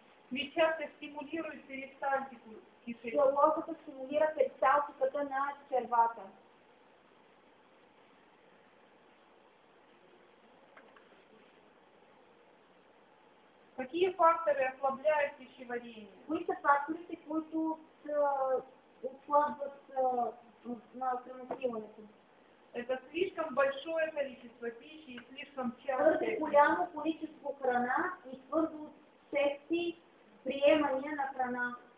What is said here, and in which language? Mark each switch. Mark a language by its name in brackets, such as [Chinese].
[Russian] Клетчатка стимулирует перистальтику кишечника. [Bulgarian] Желозата стимулира перистальтиката на червата. [Russian] Какие факторы ослабляют пищеварение? [Bulgarian] Кои са факторите, които ослабват на храносмилането? [Russian] Это слишком большое количество пищи и слишком часто. [Bulgarian] Твърде голямо количество храна и твърдо често приемане на храна.